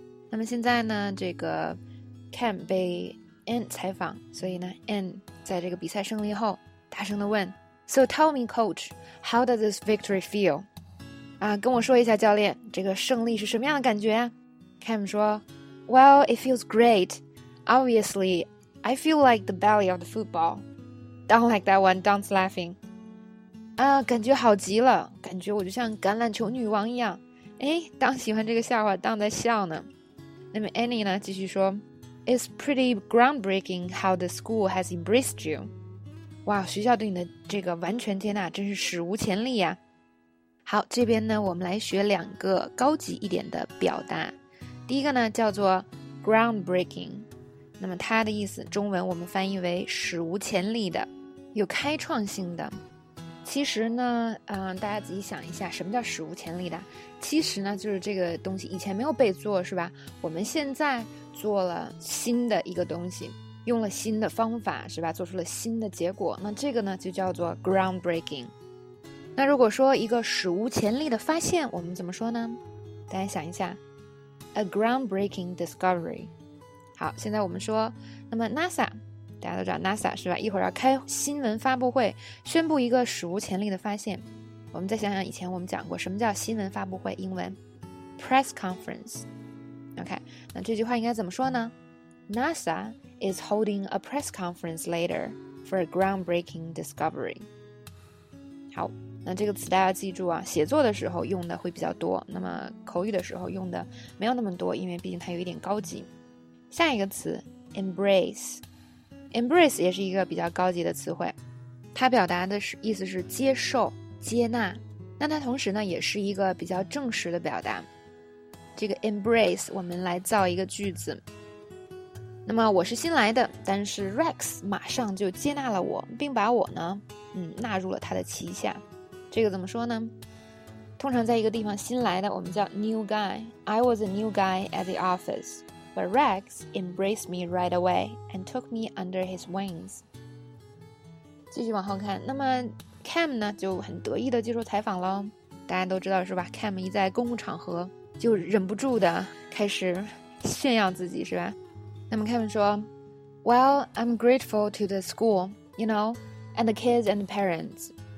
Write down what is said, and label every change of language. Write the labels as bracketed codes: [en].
[zh] 那么现在呢，这个 Cam 被 Anne 采访，所以呢 ，Anne 在这个比赛胜利后，大声地问 ： [en] “So tell me, Coach, how does this victory feel？” [zh] 啊，跟我说一下，教练，这个胜利是什么样的感觉 ？Cam 说 ： [en] “Well, it feels great. Obviously, I feel like the belly of the football. Don't like that one. Don't laughing.” [zh] 啊，感觉好极了，感觉我就像橄榄球女王一样。哎，当喜欢这个笑话，当在笑呢。那么 Annie 呢，继续说 ， [en] It's pretty groundbreaking how the school has embraced you。 [zh] 哇，学校对你的这个完全接纳真是史无前例呀。好，这边呢，我们来学两个高级一点的表达。第一个呢，叫做 groundbreaking， 那么它的意思，中文我们翻译为史无前例的，有开创性的。其实呢，大家仔细想一下，什么叫史无前例的？其实呢，就是这个东西以前没有被做，是吧？我们现在做了新的一个东西，用了新的方法，是吧？做出了新的结果，那这个呢，就叫做 groundbreaking。那如果说一个史无前例的发现，我们怎么说呢？大家想一下 ， [en] a groundbreaking discovery。 [zh] 好，现在我们说，那么 NASA。大家都知道 NASA 是吧，一会儿要开新闻发布会宣布一个史无前例的发现。我们再想想以前我们讲过什么叫新闻发布会，英文 Press Conference。 OK， 那这句话应该怎么说呢？ [en] NASA is holding a press conference later for a groundbreaking discovery。 [zh] 好，那这个词大家记住啊，写作的时候用的会比较多，那么口语的时候用的没有那么多，因为毕竟它有一点高级。下一个词 EmbraceEmbrace 也是一个比较高级的词汇，它表达的是意思是接受、接纳。那它同时呢，也是一个比较正式的表达。这个 embrace， 我们来造一个句子。那么我是新来的，但是 Rex 马上就接纳了我，并把我呢，纳入了他的旗下。这个怎么说呢？通常在一个地方新来的，我们叫 new guy。 [en] I was a new guy at the office. But Rex embraced me right away and took me under his wings. [zh] 继续往后看，那么 Cam 呢就很得意的接受采访了。大家都知道是吧 ？Cam 一在公共场合就忍不住的开始炫耀自己是吧？那么 Cam 说 [en] ，Well, I'm grateful to the school, you know, and the kids and the parents.